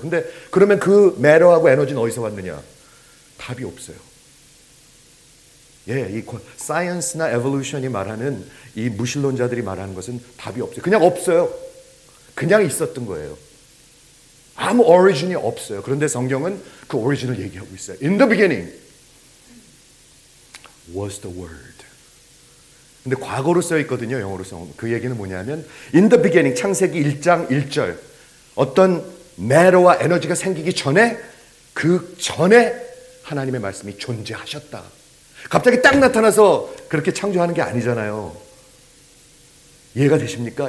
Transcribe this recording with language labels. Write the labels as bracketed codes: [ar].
[ko] 근데 그러면 그 matter하고 에너지는 어디서 왔느냐? 답이 없어요. 예, 이 사이언스나 에볼루션이 말하는 이 무신론자들이 말하는 것은 답이 없어요. 그냥 없어요. 그냥 있었던 거예요. 아무 오리진이 없어요. 그런데 성경은 그 오리진을 얘기하고 있어요. [en] In the beginning was the word. [ko] 근데 과거로 써 있거든요. 영어로 써. 그 얘기는 뭐냐면 [en] In the beginning, [ko] 창세기 1장 1절. 어떤 매러와 에너지가 생기기 전에 그 전에 하나님의 말씀이 존재하셨다. 갑자기 딱 나타나서 그렇게 창조하는 게 아니잖아요. 이해가 되십니까?